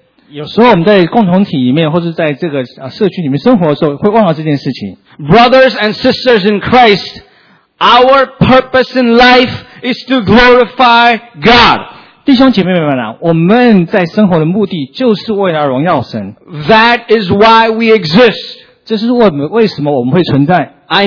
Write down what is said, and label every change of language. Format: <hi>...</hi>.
<zh>有时候我们在共同体里面，或者在这个社区里面生活的时候，会忘了这件事情。</zh> <en>Brothers and sisters in Christ, our purpose in life is to glorify God.</en> <zh>弟兄姐妹们啊，我们在生活的目的就是为了荣耀神。</zh> <en>That is why we exist.</en> <zh>这是为什么我们会存在。</zh> <en>I</en>